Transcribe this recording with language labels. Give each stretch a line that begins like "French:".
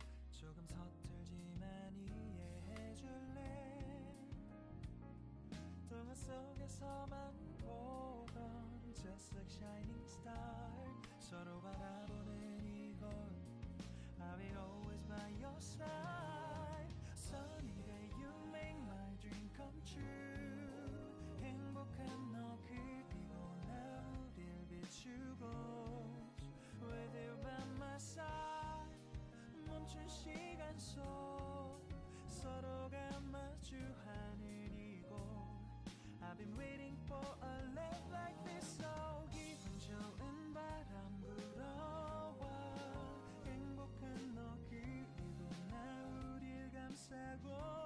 Korean: 조금 서툴지만 이해해줄래. 동화 속에서만 보던
English: just like shining star.
Korean: 서로 바라보는 이곳.
English: I'll be always by your side. Sunny day you make my dream come true.
Korean: 행복한 너 그리고 나 우릴 비추고.
English: With you by my side.
Korean: 멈춘 시간 속 서로가 마주하는 이곳.
English: I've been waiting for a love like this.
Korean: So 기분 좋은 바람 불어와 행복한 너 그리고 나 우릴 감싸고.